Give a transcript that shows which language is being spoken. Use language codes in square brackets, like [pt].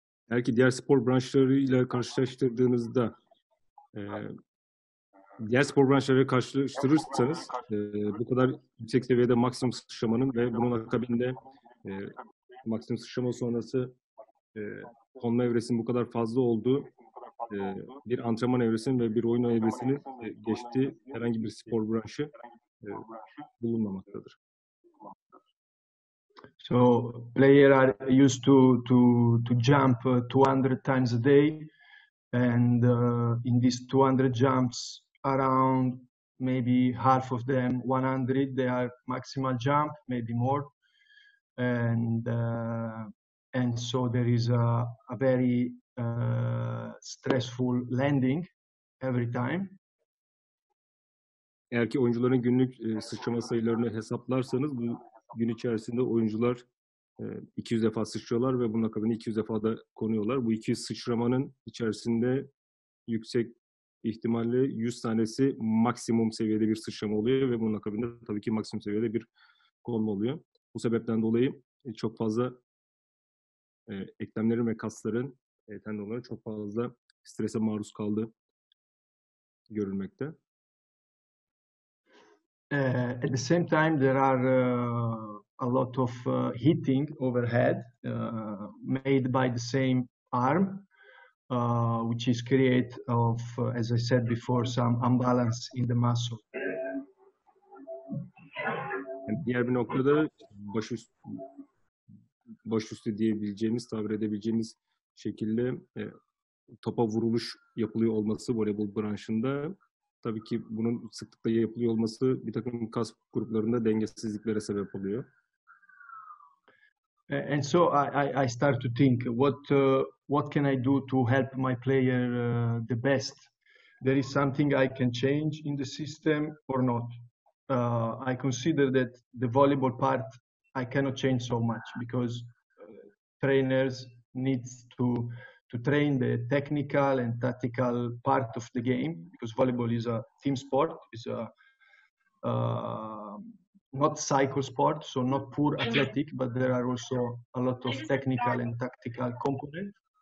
[tr] Belki diğer spor branşlarıyla karşılaştırdığınızda diğer spor branşlarıyla karşılaştırırsanız bu kadar yüksek seviyede maksimum sıçramanın ve bunun akabinde maksimum sıçrama sonrası konma evresinin bu kadar fazla olduğu bir antrenman evresinin ve bir oyun evresinin geçtiği herhangi bir spor branşı bulunmamaktadır. [en] So player are used to jump 200 times a day, and in these 200 jumps, around maybe half of them, 100, they are maximal jump, maybe more, and so there is a very stressful landing every time. [tr] Eğer ki oyuncuların günlük sıçrama sayılarını hesaplarsanız bu gün içerisinde oyuncular 200 defa sıçrıyorlar ve bunun akabinde 200 defa da konuyorlar. Bu 200 sıçramanın içerisinde yüksek ihtimalle 100 tanesi maksimum seviyede bir sıçrama oluyor ve bunun akabinde tabii ki maksimum seviyede bir konma oluyor. Bu sebepten dolayı çok fazla eklemlerin ve kasların, tendonların çok fazla strese maruz kaldığı görülmekte. [en] At the same time, there are a lot of hitting overhead made by the same arm, which is create of, as I said before, some imbalance in the muscle. [tr] Diğer bir noktada baş üstü diyebileceğimiz, tabir edebileceğimiz şekilde topa vuruluş yapılıyor olması voleybol branşında. Tabii ki bunun sıklıkla yapılıyor olması bir takım kas gruplarında dengesizliklere sebep oluyor. [en] And so I start to think what can I do to help my player the best? There is something I can change in the system or not? I consider that the volleyball part I cannot change so much because trainers needs to train the technical and tactical part of the game, because volleyball is a team sport, is a not cycle sport, so not pure athletic, but there are also a lot of technical and tactical component.